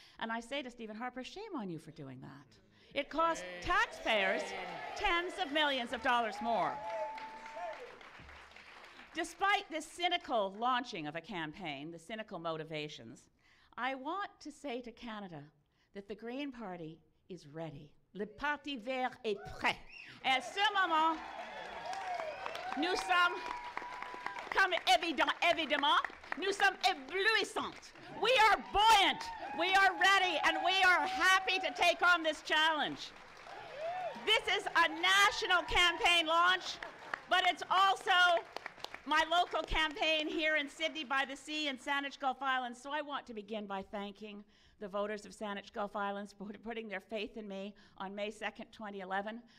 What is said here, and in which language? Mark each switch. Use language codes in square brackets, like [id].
[en] And I say to Stephen Harper, shame on you for doing that. It costs taxpayers tens of millions of dollars more. Despite this cynical launching of a campaign, the cynical motivations, I want to say to Canada that the Green Party is ready. [fr] Le Parti Vert est prêt. Et ce moment, nous sommes, comme évidemment, nous sommes éblouissantes. [en] We are buoyant, we are ready, and we are happy to take on this challenge. This is a national campaign launch, but it's also my local campaign here in Sydney by the Sea in Saanich Gulf Islands. So I want to begin by thanking the voters of Saanich Gulf Islands for putting their faith in me on May 2nd, 2011.